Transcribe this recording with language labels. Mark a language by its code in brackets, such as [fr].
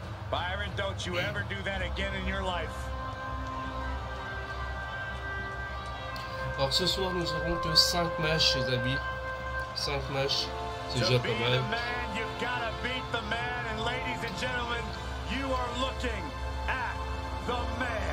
[en] Byron, don't you ever do that again in your life. [fr] Alors ce soir, nous aurons que 5 matchs, les amis. 5 matchs, c'est déjà pas mal. [en] Man, you've got to beat the man, and ladies and gentlemen, you are looking at the man.